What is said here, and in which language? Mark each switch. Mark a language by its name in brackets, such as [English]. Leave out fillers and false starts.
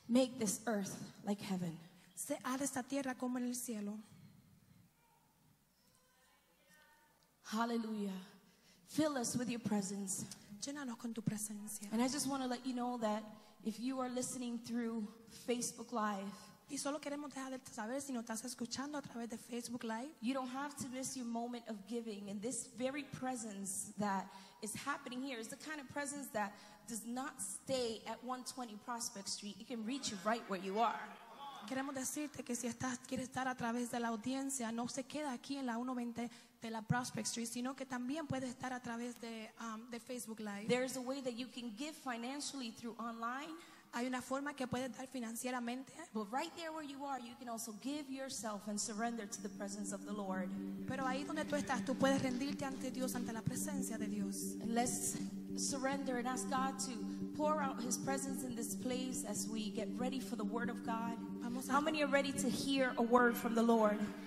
[English] Make this earth like heaven. [Spanish] Haz esta tierra como en el cielo. [English] Hallelujah. Fill us with your presence. [Spanish] Llénanos con tu presencia. [English] And I just want to let you know that if you are listening through Facebook Live, [Spanish] y solo queremos dejar de saber si nos estás escuchando a través de Facebook Live, [English] you don't have to miss your moment of giving. And this very presence that is happening here is the kind of presence that does not stay at 120 Prospect Street. It can reach you right where you are. [Spanish] Queremos decirte que si estás, quieres estar a través de la audiencia, no se queda aquí en la 120 de la Prospect Street, sino que también puede estar a través de Facebook Live. [English] There's a way that you can give financially through online. [Spanish] Hay una forma que puedes dar financieramente. [English] But right there where you are, you can also give yourself and surrender to the presence of the Lord. [Spanish] Pero ahí donde tú estás, tú puedes rendirte ante Dios, ante la presencia de Dios. [English] And let's surrender and ask God to pour out his presence in this place as we get ready for the word of God. How many are ready to hear a word from the Lord?